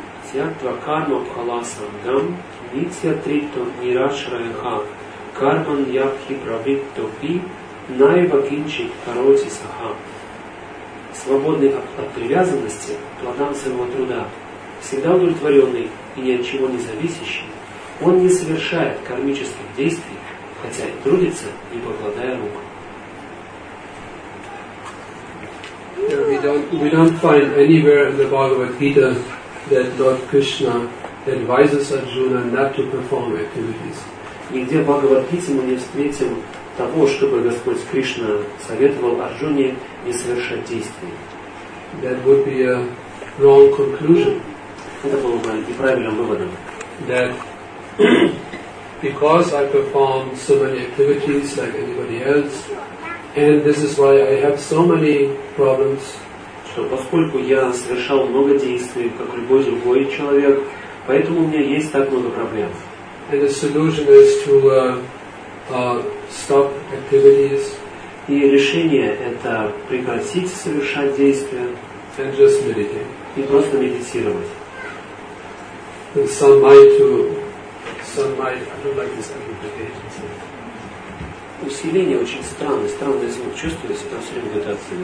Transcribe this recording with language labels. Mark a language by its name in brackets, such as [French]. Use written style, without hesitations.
[Sanskrit] Сиатва карма пхаласангам, нитья трипто нирашрайха, карман ябхи правитто пи, наива кинчит короти саха. [Russian] Свободный от привязанности к плодам своего труда, всегда удовлетворенный и ни от чего не зависящий, он не совершает кармических действий, хотя и трудится, не покладая рук. [English] We don't find anywhere in the Bhagavad Gita that Lord Krishna advises Arjuna not to perform activities. [Russian] Нигде в Бхагавад-гите мы не встретим того, чтобы Господь Кришна советовал Арджуне не совершать действий. [English] That would be a wrong conclusion. [Russian] Это было бы неправильным выводом. [English] That because I perform so many activities like anybody else, and this is why I have so many problems. [Russian] Что поскольку я совершал много действий, как любой другой человек, поэтому у меня есть так много проблем. [English] And the solution is to stop activities. [Russian] И решение это прекратить совершать действия. [English] And just meditate. [Russian] И просто медитировать. [English] And some might, I don't like this amplification. [Russian] Усиление очень странный звук. Чувствуете, там все время где-то